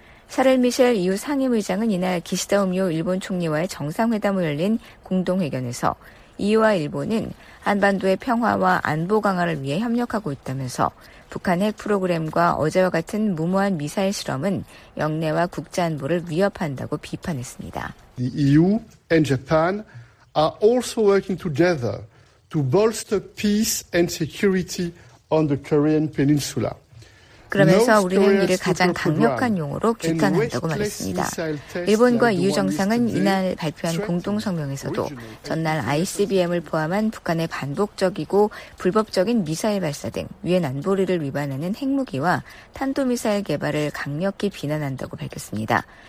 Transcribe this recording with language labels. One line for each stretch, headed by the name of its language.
Korean: 샤를 미셸 EU 상임의장은 이날 기시다 우미오 일본 총리와의 정상회담을 열린 공동회견에서 EU와 일본은 한반도의 평화와 안보 강화를 위해 협력하고 있다면서 북한의 핵 프로그램과 어제와 같은 무모한 미사일 실험은 영내와 국제안보를 위협한다고 비판했습니다.
English: The EU and Japan are also working together to bolster peace and security on the Korean Peninsula.
Korean: 그러면서 우리는 이를 가장 강력한 용어로 규탄한다고 말했습니다. 일본과 EU 정상은 이날 발표한 공동성명에서도 전날 ICBM을 포함한 북한의 반복적이고 불법적인 미사일 발사 등 유엔 안보리를 위반하는 핵무기와 탄도미사일 개발을 강력히 비난한다고 밝혔습니다.